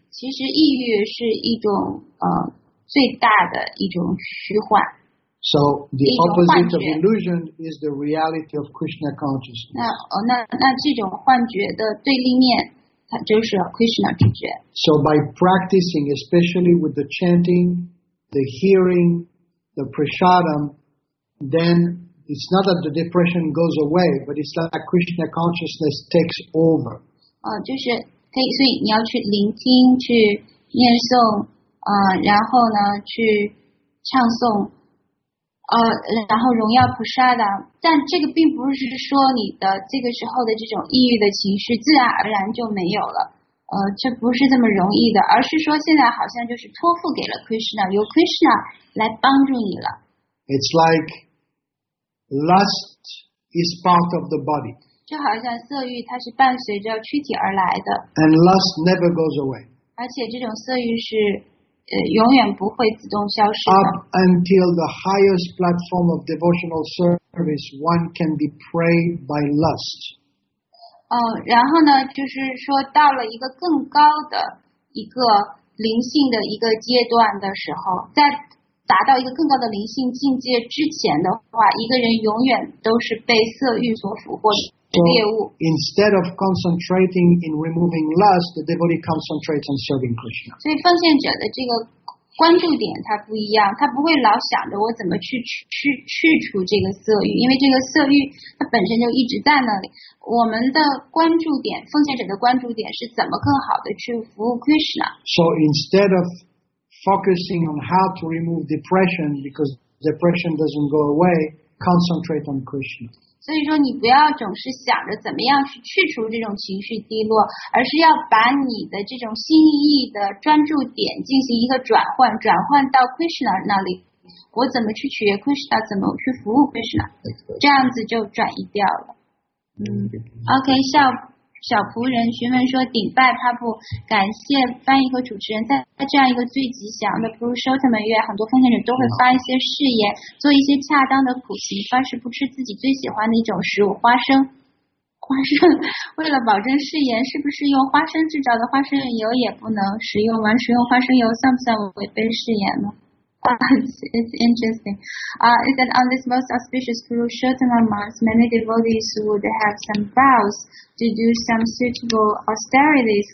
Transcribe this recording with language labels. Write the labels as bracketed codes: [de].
[zh] 其实抑郁是一种最大的一种虚幻。 [en] So the opposite of illusion is the reality of Krishna consciousness. [zh] 那这种幻觉的对立面，它就是 Krishna 知觉。 [en] So by practicing, especially with the chanting, the hearing, the prasadam, then it's not that the depression goes away, but it's like Krishna consciousness takes over. [zh] 就是可以，所以你要去聆听，去念诵，然后呢，去唱诵。然后荣耀菩萨的，但这个并不是说你的这个时候的这种抑郁的情绪自然而然就没有了，这不是这么容易的，而是说现在好像就是托付给了 Krishna， 由 Krishna 来帮助你了。 [en] It's like lust is part of the body， [zh] 就好像色欲它是伴随着躯体而来的 [en] ，and lust never goes away， [zh] 而且这种色欲是。永远不会自动消失的。 [en] Up until the highest platform of devotional service, one can be prayed by lust. [zh] 然后呢，就是说到了一个更高的一个灵性的一个阶段的时候，在达到一个更高的灵性境界之前的话，一个人永远都是被色欲所俘获的。 [en] So instead of concentrating in removing lust, the devotee concentrates on serving Krishna. [zh] 所以奉献者的这个关注点它不一样，他不会老想着我怎么去除这个色欲，因为这个色欲它本身就一直在那里。我们的关注点，奉献者的关注点是怎么更好的去服务 Krishna. [en] So instead of focusing on how to remove depression, because depression doesn't go away. concentrate on Krishna. [zh] 所以说你不要总是想着怎么样去去除这种情绪低落，而是要把你的这种心意的专注点进行一个转换，转换到 Krishna 那里。我怎么去取悦 Krishna， 怎么去服务 Krishna， 这样子就转移掉了。 OK， 小仆人询问说，顶拜帕布，感谢翻译和主持人，在这样一个最吉祥的 Purushottama 月，很多奉献者都会发一些誓言，做一些恰当的苦行，发誓不吃自己最喜欢的一种食物花生。花生为了保证誓言，是不是用花生制造的花生油也不能食用吗？食用花生油算不算违背誓言呢？ [en] It's interesting. Is that on this most auspicious Purushottama month, many devotees would have some vows to do some suitable austerities.